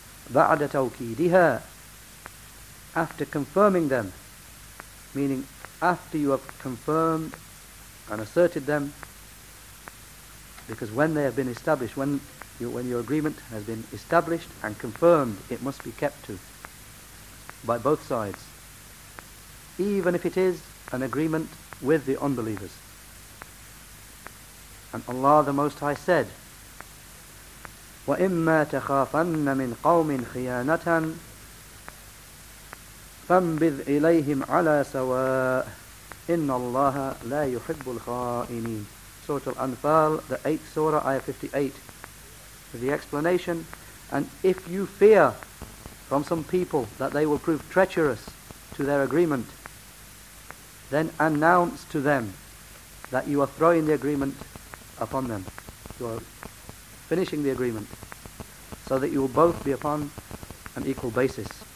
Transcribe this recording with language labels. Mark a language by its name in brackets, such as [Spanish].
[Arabic] بَعْدَ تَوْكِيدِهَا, [English] after confirming them, meaning after you have confirmed and asserted them, because when they have been established, when your agreement has been established and confirmed, it must be kept to by both sides, even if it is an agreement with the unbelievers. And Allah the Most High said, [Arabic] وَإِمَّا تَخَافَنَّ مِنْ قَوْمٍ خِيَانَةً فَانْبِذْ إِلَيْهِمْ عَلَى سَوَاءٍ إِنَّ اللَّهَ لَا يُحِبُّ الْخَائِنِينَ. [English] Surah Al-Anfal, the 8th surah, ayah 58. With the explanation, and if you fear from some people that they will prove treacherous to their agreement, then announce to them that you are throwing the agreement upon them. You are finishing the agreement, so that you will both be upon an equal basis.